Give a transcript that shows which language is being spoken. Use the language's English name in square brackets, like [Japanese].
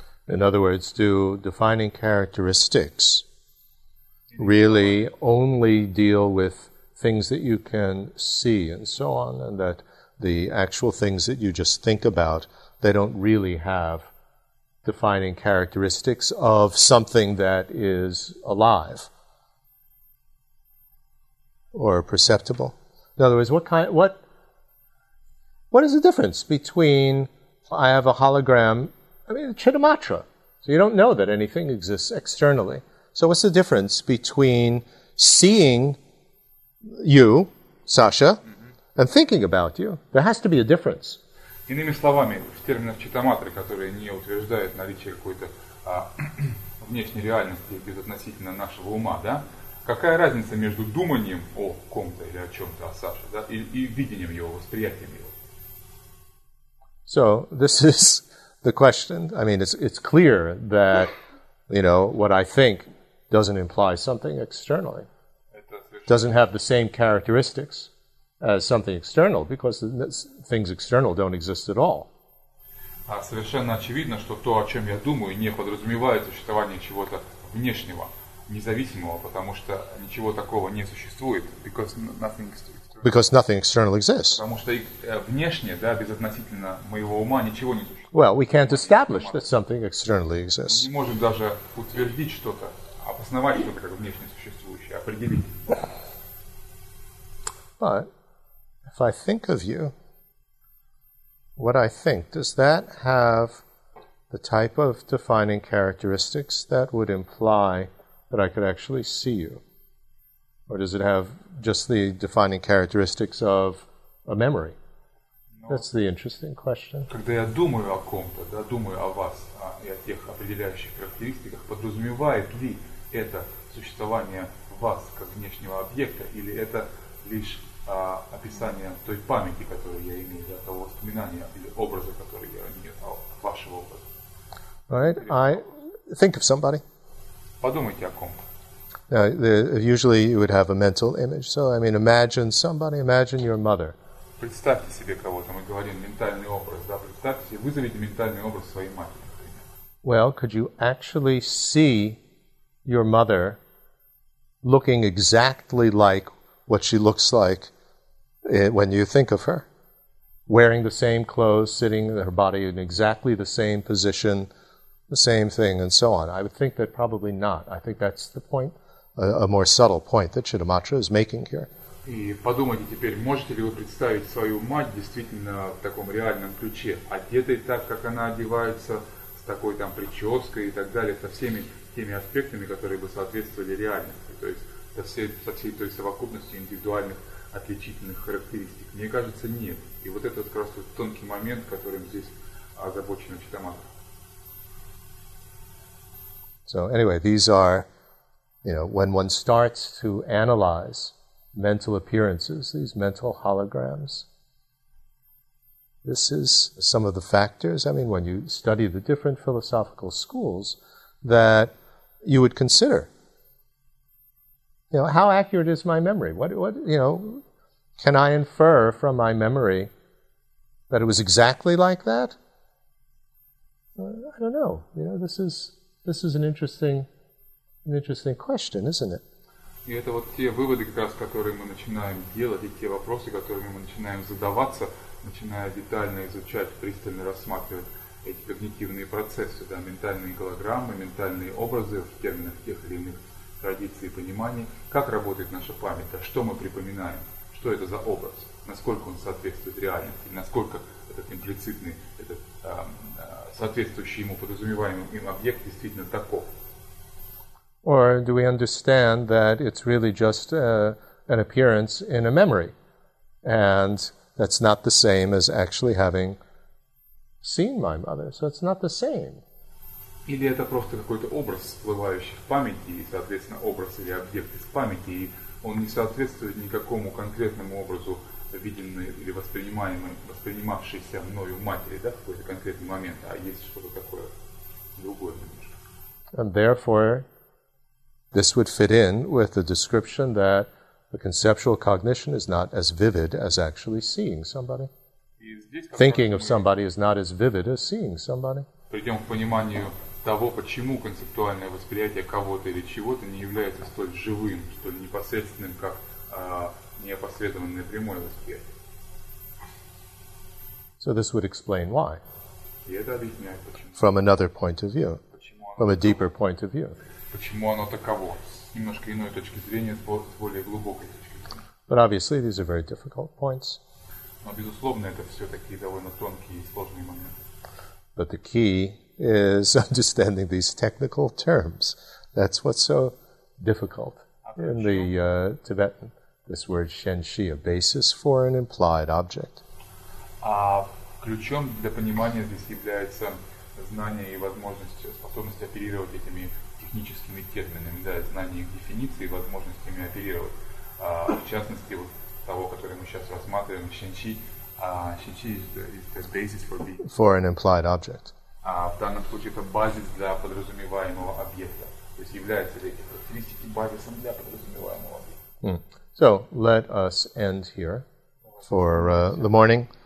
[English] In other words, do defining characteristics really only deal with things that you can see and so on, and that the actual things that you just think about, they don't really have defining characteristics of something that is alive or perceptible. In other words, what is the difference between I have a hologram, I mean, Chittimacha, so you don't know that anything exists externally. So what's the difference between seeing you, Саша, and thinking about you, there has to be a difference. [Russian] Иными словами, в терминах читаматры, которые не утверждают наличие какой-то внешней реальности безотносительно нашего ума, да, какая разница между думанием о ком-то или о чем-то, о Саше, да, и видением его, восприятием его? [English] So, this is the question. I mean, it's clear that, you know, what I think doesn't imply something externally. Doesn't have the same characteristics as something external, because things external don't exist at all. [Russian] Совершенно очевидно, что то, о чем я думаю, не подразумевает существование чего-то внешнего, независимого, потому что ничего такого не существует, [English] because nothing external exists. [Russian] Потому что внешнее, да, безотносительно моего ума, ничего не существует. [English] Well, we can't establish that something externally exists. [Russian] Не можем даже утвердить что-то, обосновать что-то как внешне существующее, определить. [English] But if I think of you, what I think, does that have the type of defining characteristics that would imply that I could actually see you? Or does it have just the defining characteristics of a memory? No. That's the interesting question. [Russian] Когда я думаю о ком-то, да, думаю о вас, и о тех определяющих характеристиках, подразумевает ли это существование вас как внешнего объекта, или это лишь описание той памяти, которую я имею, для того воспоминания или образа, который я имею, вашего образа. [English] Right. I think of somebody. [Russian] Подумайте о ком. [English] Now, usually you would have a mental image. So, I mean, imagine somebody, imagine your mother. [Russian] Представьте себе кого-то. Мы говорим ментальный образ, да? Представьте себе, вызовите ментальный образ своей матери, например. [English] Well, could you actually see your mother looking exactly like what she looks like when you think of her, wearing the same clothes, sitting her body in exactly the same position, the same thing, and so on? I would think that probably not. I think that's the point, a more subtle point that Chittamatra is making here. [Russian] И подумайте теперь, можете ли вы представить свою мать действительно в таком реальном ключе, одетой так, как она одевается, с такой там прической и так далее, со всеми теми аспектами, которые бы соответствовали реальности, то есть со всей той совокупностью индивидуальных отличительных характеристик. Мне кажется, нет. И вот это как раз тонкий момент, которым здесь озабочена Читамата. [English] So, anyway, these are, you know, when one starts to analyze mental appearances, these mental holograms, this is some of the factors, I mean, when you study the different philosophical schools, that you would consider. You know, how accurate is my memory? What you know, can I infer from my memory that it was exactly like that? I don't know. You know, this is an interesting question, isn't it? [Russian] И это вот те выводы, как раз, которые мы начинаем делать, и те вопросы, которыми мы начинаем задаваться, начиная детально изучать, пристально рассматривать эти когнитивные процессы, да, ментальные голограммы, ментальные образы в терминах тех или иных традиции понимания, как работает наша память, что мы припоминаем, что это за образ, насколько он соответствует реальности, насколько этот имплицитный, этот соответствующий ему подразумеваемый им объект действительно таков. [English] Or do we understand that it's really just an appearance in a memory, and that's not the same as actually having seen my mother, so it's not the same. [Russian] Или это просто какой-то образ, всплывающий в памяти, и, соответственно, образ или объект из памяти, и он не соответствует никакому конкретному образу, виденному или воспринимавшейся мною матери, да, в какой-то конкретный момент, а есть что-то такое другое немножко. [English] And therefore, this would fit in with the description that the conceptual cognition is not as vivid as actually seeing somebody. Thinking of somebody is not as vivid as seeing somebody. [Russian] Придем к пониманию того, почему концептуальное восприятие кого-то или чего-то не является столь живым, столь непосредственным, как неопосредованное прямое восприятие. [English] So this would explain why. [Russian] И это объясняет, почему. [English] From another point of view. From a deeper point of view. [Russian] Почему оно таково? С немножко иной точки зрения, с более глубокой точки зрения. [English] But obviously these are very difficult points. [Russian] Но, безусловно, это все такие довольно тонкие и сложные моменты. [English] But the key is understanding these technical terms. That's what's so difficult in the Tibetan this word xianxi, a basis for an implied object. [Russian] А ключом для понимания здесь является знание и возможность, способность оперировать этими техническими терминами, да, знание их дефиниции и возможность ими оперировать. В частности, вот того, который мы сейчас рассматриваем, xianxi, [English] is the basis for being. For an implied object. [Russian] В данном случае это базис для подразумеваемого объекта. То есть являются ли эти характеристики базисом для подразумеваемого объекта. [English] So, let us end here for the morning.